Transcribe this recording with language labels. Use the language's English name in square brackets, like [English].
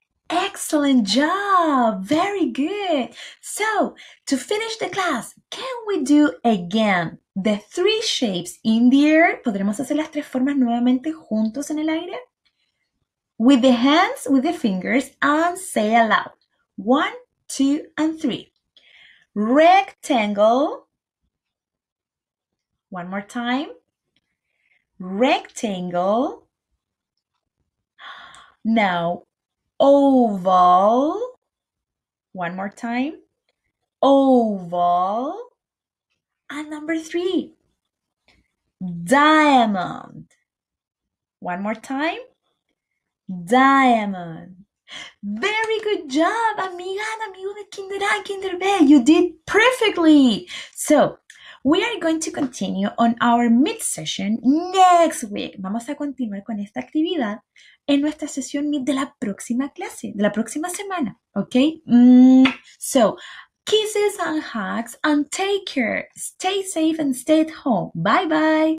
[English] Excellent job. Very good. So, to finish the class, can we do again the three shapes in the air. [Spanish] ¿Podremos hacer las tres formas nuevamente juntos en el aire? [English] With the hands, with the fingers, and say aloud. One, two, and three. Rectangle. One more time. Rectangle. Now, oval. One more time. Oval. And number three. Diamond. One more time. Diamond. Very good job, amiga and amigo de Kinder A, Kinder B. You did perfectly. So, we are going to continue on our mid session next week. [Spanish] Vamos a continuar con esta actividad en nuestra sesión mid de la próxima clase, de la próxima semana, okay? [English] So, kisses and hugs and take care. Stay safe and stay at home. Bye bye.